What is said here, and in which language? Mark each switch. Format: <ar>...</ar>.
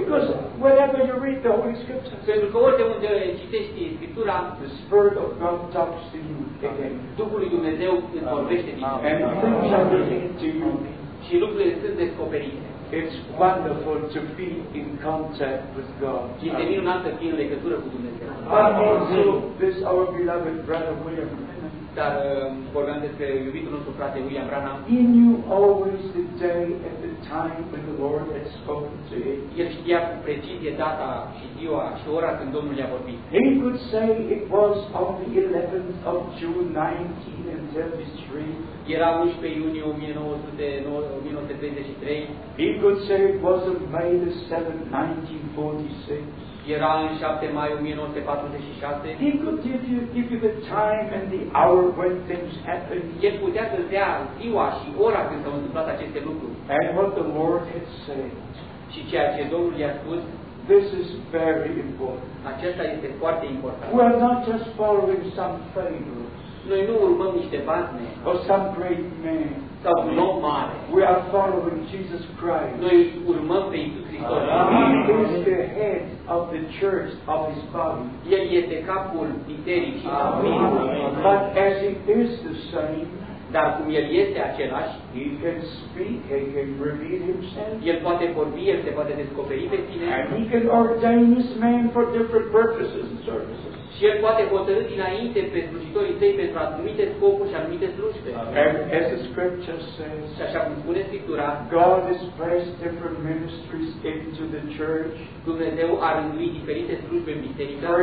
<en>Because whenever you read the Holy Scriptures,</en> <ro>pentru că oriunde citești Scriptura,</ro> <en>the Spirit of God talks to you again.</en> <ro>Duhul lui Dumnezeu îți vorbește din</ro> <en>nou. And things are revealed to you.</en> <ro>Și lucrurile sunt descoperite.</ro> <en>It's wonderful to be in contact with God.</en> <ro>Este minunat să fii în legătură cu Dumnezeu.</ro> <en>But also, this our beloved brother William.</en> <ro>Dar vorbeam despre iubitul nostru frate William Branham.</ro> <en>He knew always the day and the time when the Lord had spoken to him.</en> <ro>El știa cu precizie data și ziua și ora când Domnul i-a vorbit.</ro> <en>He could say it was on the 11th of June 1933.</en> <ro>Era 11 iunie 1933.</ro> <en>He could say it was on May the 7th, 1946.</en> <ro>Era în 7 mai 1946.</ro> <en>He could give you the time and the hour when things happened.</en> <ro>El putea să dea ziua și ora când s-au întâmplat aceste lucruri.</ro> <en>And what the Lord had said.</en> <ro>Și ceea ce Domnul i-a spus.</ro> <en>This is very important.</en> <ro>Acesta este foarte important.</ro> <en>We are not just following some favors.</en> <ro>Noi nu urmăm niște bazme.</ro> <en>Or some great men.</en> <ro>Sau un om mare.</ro> <en>We are following Jesus Christ.</en> <ro>Noi urmăm pe Iisus Hristos.</ro> <en>He is the head of the church of his body.</en> <ro>El este capul bisericii.</ro> <en>Amin. But as he is the same,</en> <ro>dar cum el este același,</ro> <en>he can speak, he can reveal himself.</en> <ro>El poate vorbi, el se poate descoperi pe sine.</ro> <en>And he can ordain this man for different purposes and services.</en> <ro>Și el poate hotărâ dinainte pe slujitorii săi pentru anumite scopuri și anumite slujbe.</ro> <en>As the scripture says,</en> <ro>și așa cum spune Scriptura,</ro> <en>God has placed different ministries into the church.</en> <ro>Dumnezeu a rânduit diferite slujbe în biserică.</ro>